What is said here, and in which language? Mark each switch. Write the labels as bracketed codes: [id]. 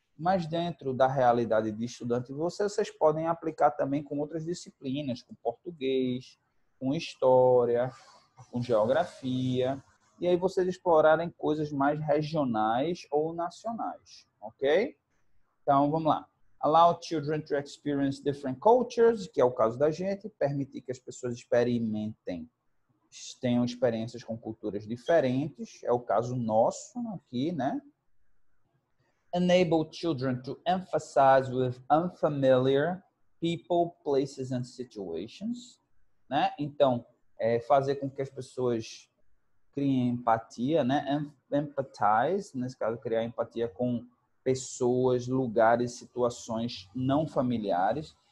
[pt] Mas dentro da realidade de estudante, vocês podem aplicar também com outras disciplinas, com português, com história, com geografia, e aí vocês explorarem coisas mais regionais ou nacionais, ok? Então, vamos lá. [en] Allow children to experience different cultures, [pt] que é o caso da gente, permitir que as pessoas experimentem tenham experiências com culturas diferentes, é o caso nosso aqui, né? [en] Enable children to emphasize with unfamiliar people, places and situations, né? [pt] Então, é fazer com que as pessoas criem empatia, né? Empathize, nesse caso, criar empatia com pessoas, lugares, situações não familiares.